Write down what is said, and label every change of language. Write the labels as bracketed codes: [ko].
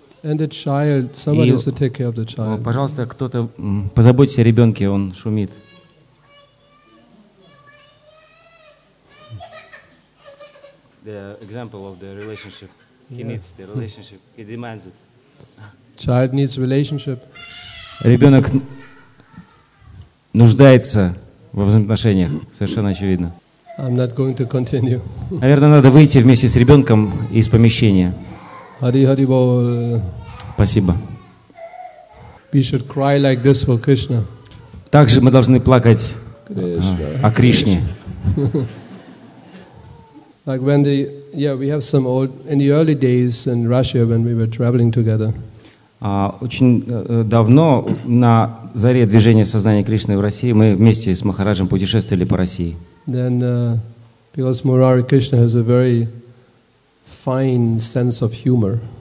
[en] And the child, somebody has to take care of the child. [ru] Пожалуйста, кто-то позаботьтесь о ребенке, он шумит. [en] The example of the relationship. He needs the relationship. He demands it. Child needs relationship. [ru] Ребенок нуждается во взаимоотношениях, совершенно очевидно. [en] I'm not going to continue. [ru] Наверное, надо выйти вместе с ребенком из помещения. [sa] Hari Hari Bol. [ru] Спасибо. [en] We should cry like this for Krishna. [ru] Также мы должны плакать о Кришне. [en] Like when the we have some old in the early days in Russia when we were traveling together. [ru] Очень давно на заре движения сознания Кришны в России мы вместе с Махараджем путешествовали по России. [en] Then because Murari Krishna has a very fine sense of humor.